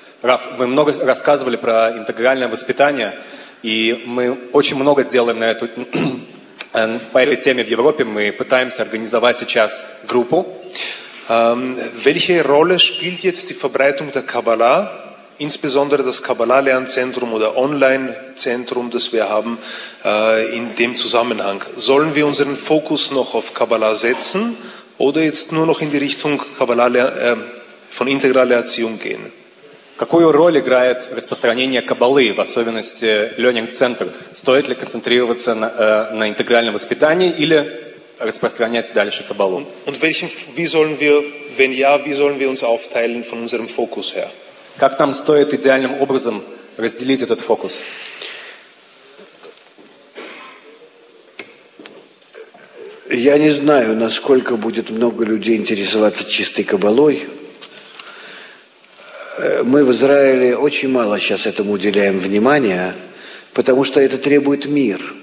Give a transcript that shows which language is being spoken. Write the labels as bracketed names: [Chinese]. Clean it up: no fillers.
[Russian] Раф, вы много рассказывали про интегральное воспитание, и мы очень много делаем на эту, по этой теме в Европе. Мы пытаемся организовать сейчас группу. [German] Welche Rolle spielt jetzt die Verbreitung der Kabbala, insbesondere das Kabbala-Lernzentrum oder Online-Zentrum, das wir haben, in dem Zusammenhang? Sollen wir unseren Fokus noch auf Kabbala setzen oder jetzt nur noch in die Richtung Kabbala, von integraler Erziehung gehen? [Russian] Какую роль играет распространение Каббалы, в особенности Learning Center? Стоит ли концентрироваться на интегральном воспитании или распространять дальше Каббалу? [German] Und welchen, wie sollen wir, wenn ja, wie sollen wir uns aufteilen von unserem Fokus her? [Russian] Как нам стоит идеальным образом разделить этот фокус? Я не знаю, насколько будет много людей интересоваться чистой Каббалой. Мы в Израиле очень мало сейчас этому уделяем внимания, потому что это требует мир.